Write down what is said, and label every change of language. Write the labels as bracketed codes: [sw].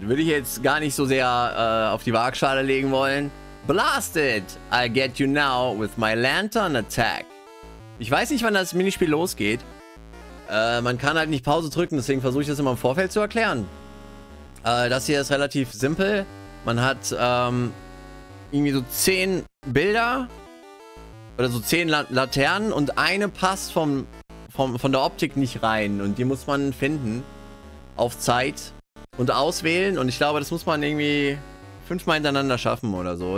[de] Würde ich jetzt gar nicht so sehr auf die Waagschale legen wollen. [en] Blasted! I get you now with my lantern attack. [de] Ich weiß nicht, wann das Minispiel losgeht. Man kann halt nicht Pause drücken, deswegen versuche ich das immer im Vorfeld zu erklären. Das hier ist relativ simpel. Man hat irgendwie so 10 Bilder oder so 10 Laternen und eine passt von der Optik nicht rein und die muss man finden auf Zeit und auswählen und ich glaube, das muss man irgendwie 5-mal hintereinander schaffen oder so.